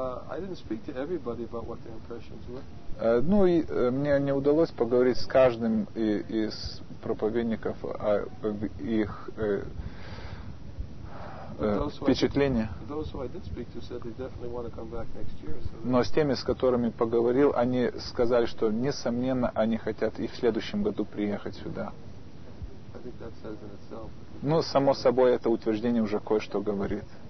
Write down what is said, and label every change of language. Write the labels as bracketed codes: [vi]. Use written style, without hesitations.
[en] I didn't speak to everybody about what their impressions were. [ru] Ну и мне не удалось поговорить с каждым из проповедников об их впечатления. [en] Those who I did speak to said they definitely want to come back next year. [ru] Но с теми, с которыми поговорил, они сказали, что несомненно они хотят и в следующем году приехать сюда. [en] I think that says in itself. [ru] Ну само собой это утверждение уже кое-что говорит.